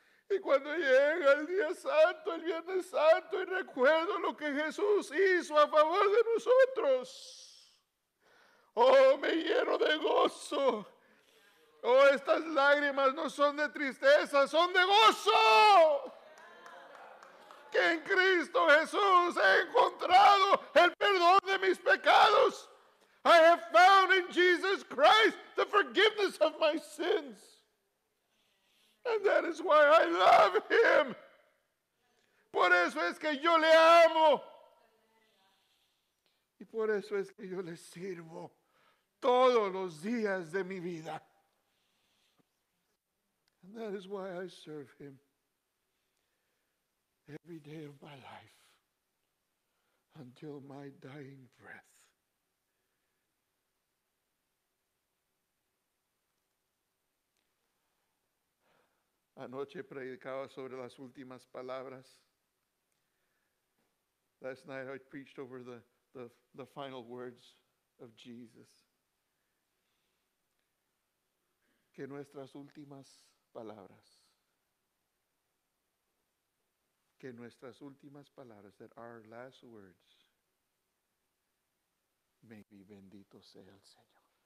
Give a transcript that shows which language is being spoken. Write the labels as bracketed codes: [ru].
[es] Y cuando llega el día santo, el Viernes Santo, y recuerdo lo que Jesús hizo a favor de nosotros, oh, me lleno de gozo. Oh, estas lágrimas no son de tristeza, son de gozo. Que en Cristo Jesús he encontrado el perdón de mis pecados. [en] I have found in Jesus Christ the forgiveness of my sins. And that is why I love Him. [es] Por eso es que yo le amo. Y por eso es que yo le sirvo todos los días de mi vida. [en] And that is why I serve him every day of my life until my dying breath. [es] Anoche predicaba sobre las últimas palabras. [en] Last night I preached over the final words of Jesus. [es] Que nuestras últimas palabras. Que nuestras últimas palabras, [en] that our last words may be [es] bendito sea el Señor.